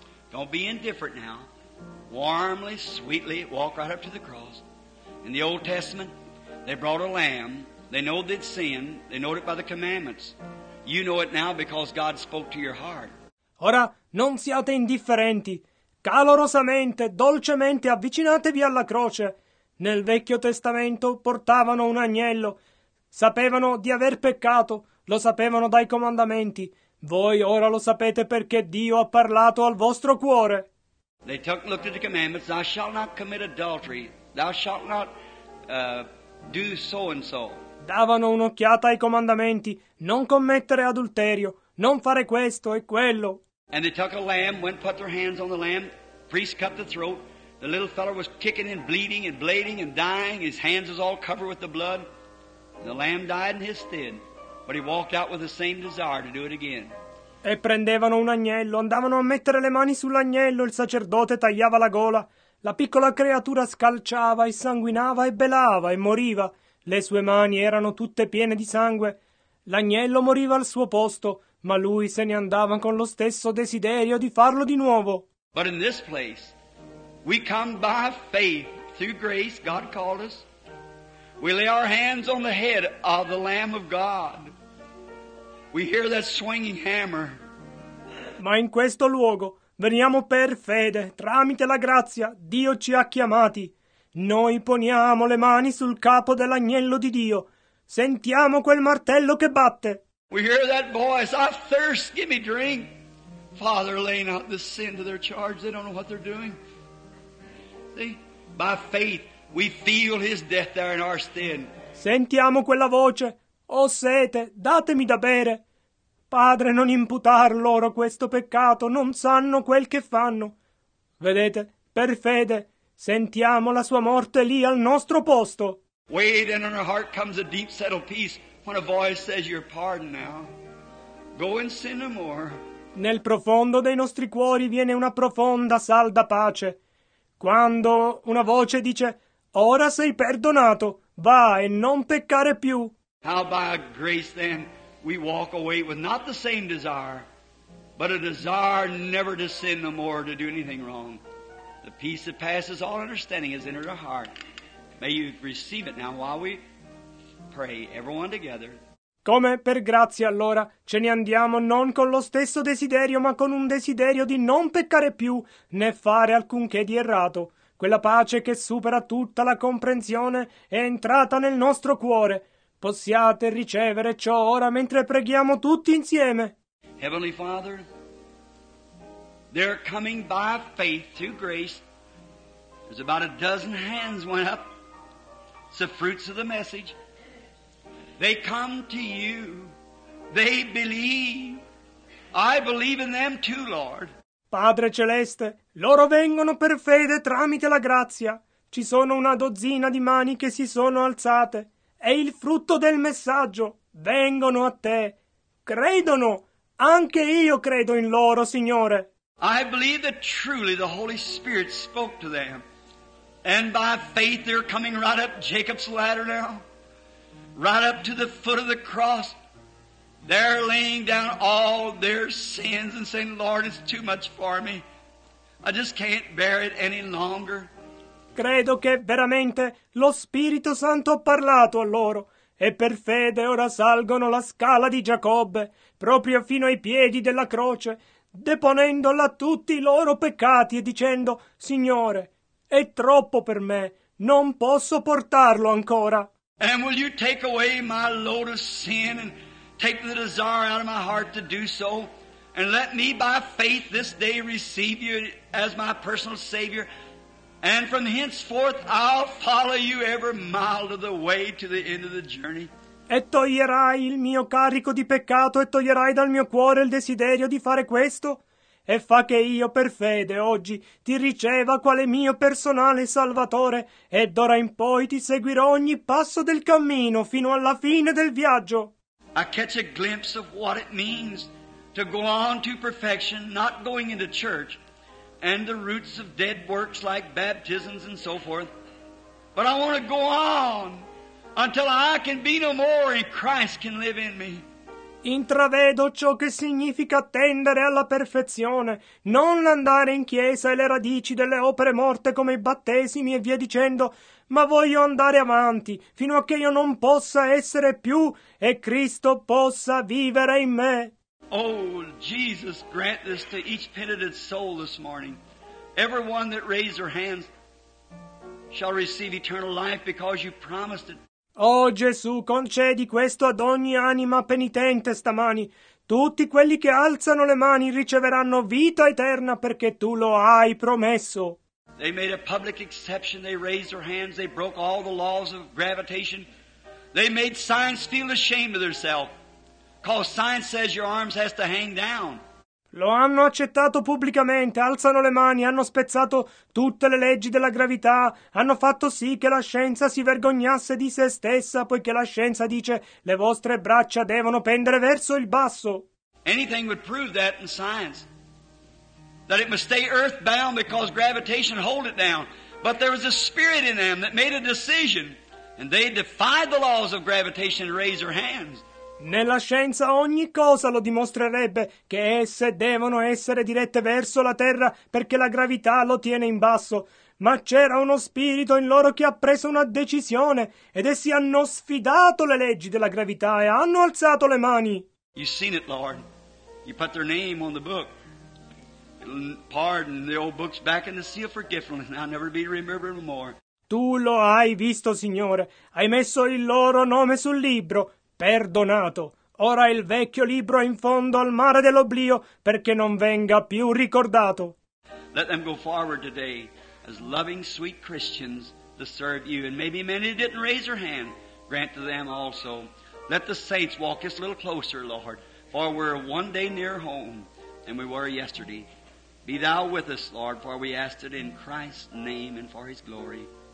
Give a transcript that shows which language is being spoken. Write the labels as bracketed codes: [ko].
[en] Don't be indifferent now. Warmly, sweetly, walk right up to the cross. In the Old Testament, They brought a lamb. They know that it's sin. They know it by the commandments. You know it now because God spoke to your heart. [it] Ora, non siate indifferenti. Calorosamente, dolcemente avvicinatevi alla croce. Nel Vecchio Testamento portavano un agnello. Sapevano di aver peccato. Lo sapevano dai comandamenti. Voi ora lo sapete perché Dio ha parlato al vostro cuore. [en] They took a look at the commandments. Thou shalt not commit adultery. Thou shalt not do so and so. [it] Davano un'occhiata ai comandamenti. Non commettere adulterio. Non fare questo e quello. [en] And they took a lamb, went and put their hands on the lamb. Priest cut the throat. The little fellow was kicking and bleeding and bleeding and dying. His hands was all covered with the blood. The lamb died in his stead. But he walked out with the same desire to do it again. [it] E prendevano un agnello, andavano a mettere le mani sull'agnello, il sacerdote tagliava la gola. La piccola creatura scalciava e sanguinava e belava e moriva. Le sue mani erano tutte piene di sangue. L'agnello moriva al suo posto, ma lui se ne andava con lo stesso desiderio di farlo di nuovo. [en] But in this place, we come by faith, through grace, God called us. We lay our hands on the head of the Lamb of God. We hear that swinging hammer. [it] Ma in questo luogo veniamo per fede, tramite la grazia, Dio ci ha chiamati. Noi poniamo le mani sul capo dell'agnello di Dio. Sentiamo quel martello che batte. [en] We hear that voice, I thirst, give me drink. Father, laying out the sin to their charge, they don't know what they're doing. See, by faith. We feel his death there in our stead. [it] Sentiamo quella voce. Ho sete, datemi da bere. Padre, non imputar loro questo peccato. Non sanno quel che fanno. Vedete, per fede, sentiamo la sua morte lì al nostro posto. [en] Wait, and in our heart comes a deep settled peace when a voice says you're pardoned now. Go and sin no more. [it] Nel profondo dei nostri cuori viene una profonda, salda pace. Quando una voce dice... Ora sei perdonato, va e non peccare più. [en] How by grace then we walk away with not the same desire, but a desire never to sin no more, to do anything wrong. The peace that passes all understanding has entered our heart. May you receive it now while we pray, everyone together. [it] Come per grazia allora ce ne andiamo non con lo stesso desiderio, ma con un desiderio di non peccare più, né fare alcunché di errato. Quella pace che supera tutta la comprensione è entrata nel nostro cuore. Possiate ricevere ciò ora mentre preghiamo tutti insieme. [en] Heavenly Father, they're coming by faith through grace. There's about a dozen hands went up. It's the fruits of the message. They come to you. They believe. I believe in them too, Lord. [it] Padre Celeste, loro vengono per fede tramite la grazia. Ci sono una dozzina di mani che si sono alzate. È il frutto del messaggio. Vengono a te. Credono. Anche io credo in loro, Signore. [en] I believe that truly the Holy Spirit spoke to them. And by faith they're coming right up Jacob's ladder now. Right up to the foot of the cross. They're laying down all their sins and saying, Lord, it's too much for me. I just can't bear it any longer. [it] Credo che veramente lo Spirito Santo ha parlato a loro e per fede ora salgono la scala di Giacobbe proprio fino ai piedi della croce, deponendola tutti i loro peccati e dicendo, Signore, è troppo per me, non posso portarlo ancora. [en] And will you take away my load of sin and take the desire out of my heart to do so, and let me by faith this day receive you as my personal Savior, and from henceforth I'll follow you every mile of the way to the end of the journey. [it] E toglierai il mio carico di peccato e toglierai dal mio cuore il desiderio di fare questo? E fa che io per fede oggi ti riceva quale mio personale salvatore, e d'ora in poi ti seguirò ogni passo del cammino fino alla fine del viaggio. [en] I catch a glimpse of what it means to go on to perfection, not going into church, and the roots of dead works like baptisms and so forth. But I want to go on until I can be no more and Christ can live in me. [it] Intravedo ciò che significa tendere alla perfezione, non andare in chiesa e le radici delle opere morte come i battesimi e via dicendo, ma voglio andare avanti fino a che io non possa essere più e Cristo possa vivere in me. [en] Oh, Jesus, grant this to each penitent soul this morning. Everyone that raised their hands shall receive eternal life because you promised it. [it] Oh, Gesù, concedi questo ad ogni anima penitente stamani. Tutti quelli che alzano le mani riceveranno vita eterna perché tu lo hai promesso. [en] They made a public exception. They raised their hands. They broke all the laws of gravitation. They made science feel ashamed of themselves. Because science says your arms has to hang down. [it] Lo hanno accettato pubblicamente, alzano le mani, hanno spezzato tutte le leggi della gravità, hanno fatto sì che la scienza si vergognasse di se stessa, poiché la scienza dice le vostre braccia devono pendere verso il basso. [en] Anything would prove that in science. That it must stay earthbound because gravitation hold it down. But there was a spirit in them that made a decision, and they defied the laws of gravitation and raised their hands. [it] Nella scienza ogni cosa lo dimostrerebbe che esse devono essere dirette verso la terra perché la gravità lo tiene in basso. Ma c'era uno spirito in loro che ha preso una decisione ed essi hanno sfidato le leggi della gravità e hanno alzato le mani. [en] You've seen it, Lord. You put their name on the book. It'll pardon the old books back in the sea of forgiveness. I'll never be remembered no more. [it] Tu lo hai visto, Signore. Hai messo il loro nome sul libro. Perdonato. Ora il vecchio libro è in fondo al mare dell'oblio perché non venga più ricordato. [en] Let them go forward today as loving, sweet Christians to serve you. And maybe many didn't raise their hand. Grant to them also. Let the saints walk us a little closer, Lord. For we're one day near home than we were yesterday. Be thou with us, Lord, for we ask it in Christ's name and for his glory.